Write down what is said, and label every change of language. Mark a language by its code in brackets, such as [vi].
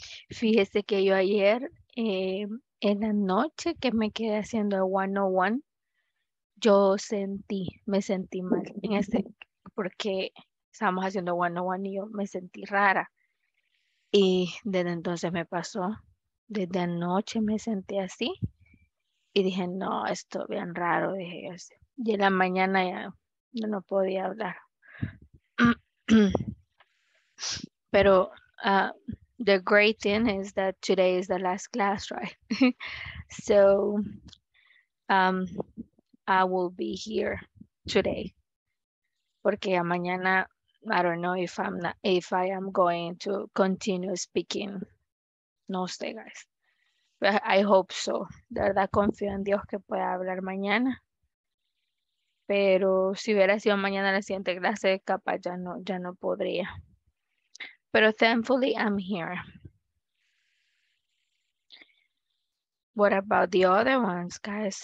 [es] Fíjese que yo ayer, en la noche que me quedé haciendo el 101, yo me sentí mal en porque estábamos haciendo 101 y yo me sentí rara. Y desde entonces me pasó, desde anoche me sentí así y dije, no, esto es bien raro, dije yo. Y en la mañana ya no podía hablar. [en] Pero the great thing is that today is the last class, right? So I will be here today. [es] Porque ya mañana, [en] I don't know if I am going to continue speaking. [es] No sé, [en] guys. But I hope so. [es] De verdad confío en Dios que pueda hablar mañana. Pero si hubiera sido mañana la siguiente clase, capaz ya no podría. [en] Pero thankfully I'm What about the other ones, guys?